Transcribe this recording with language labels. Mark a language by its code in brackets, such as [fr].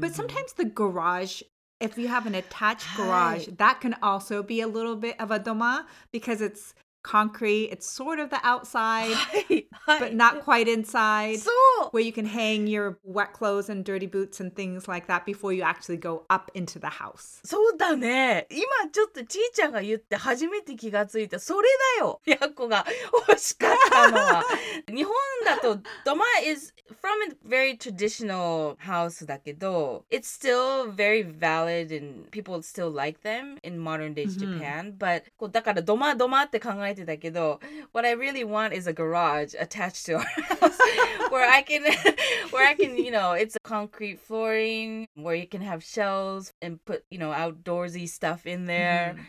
[en] but sometimes the garage, if you have an attached garage, that can also be a little bit of a doma because it's concrete. It's sort of the outside, but not quite inside. So where you can hang your wet clothes and dirty boots and things like that before you actually go up into the house. [ja] そうだね。今ちょっとちーちゃんが言って初めて気がついた。それだよ。やっこが欲しかったのは。日本だと土間 [en] is from a very traditional house [ja] だけど、 [en] it's still very valid and people still like them in modern day Japan. But [ja] こうだから土間土間って考えてたけど、 [en] what I really want is a garage attached to our house where I can, you know, it's a concrete flooring where you can have shelves and put, you know, outdoorsy stuff in there.